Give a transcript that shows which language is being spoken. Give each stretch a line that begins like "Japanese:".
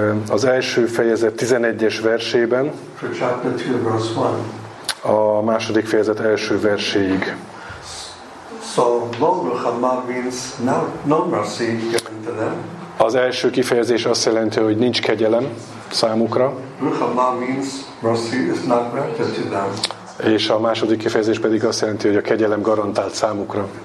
Hungarian: Az első fejezet 11-es versében.
English: For chapter 2, verse 1.
Hungarian: A második fejezet első verséig.
English: So, no ruhama means no mercy given to them.
Hungarian: Az első kifejezés azt jelenti, hogy nincs kegyelem számukra.
English: Ruhama means mercy is not granted to them.
Hungarian: És a második kifejezés pedig azt jelenti, hogy a kegyelem garantált számukra.